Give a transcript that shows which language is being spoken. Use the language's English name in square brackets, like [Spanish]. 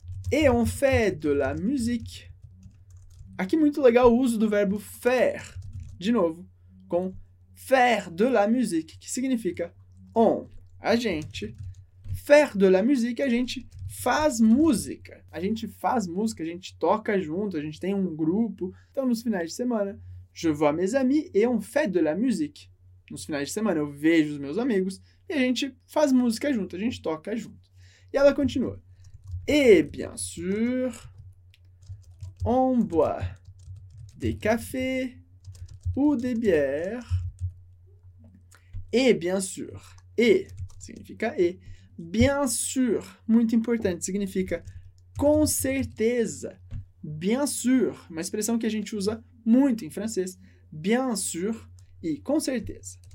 [French] Et on fait de la musique. [Portuguese] Aqui muito legal o uso do verbo faire, de novo, com faire de la musique, que significa on, a gente. [French] Faire de la musique, [Portuguese] a gente faz música. A gente faz música, a gente toca junto, a gente tem um grupo. Então, nos finais de semana, [French] je vois mes amis et on fait de la musique. [Portuguese] Nos finais de semana, eu vejo os meus amigos e a gente faz música junto, a gente toca junto. E ela continua. [French] Et bien sûr, on boit des cafés ou des bières. [Portuguese] E, bien sûr, e, significa e, bien sûr, muito importante, significa com certeza, bien sûr, uma expressão que a gente usa muito em francês, bien sûr e com certeza.